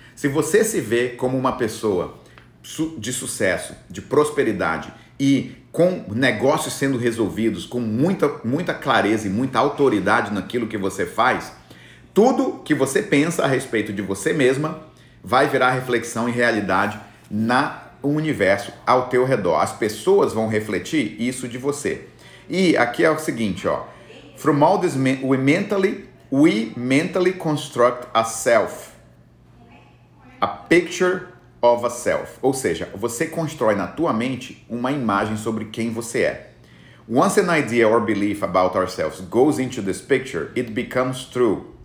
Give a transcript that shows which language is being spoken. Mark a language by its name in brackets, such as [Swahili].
[Portuguese] Se você se vê como uma pessoa de sucesso, de prosperidade e com negócios sendo resolvidos com muita, muita clareza e muita autoridade naquilo que você faz, tudo que você pensa a respeito de você mesma vai virar reflexão e realidade no universo ao teu redor. As pessoas vão refletir isso de você. E aqui é o seguinte, ó. [English] From all this, we mentally construct a self, a picture of a self, [Portuguese] ou seja, você constrói na tua mente uma imagem sobre quem você é. [English] Once an idea or belief about ourselves goes into this picture, it becomes true.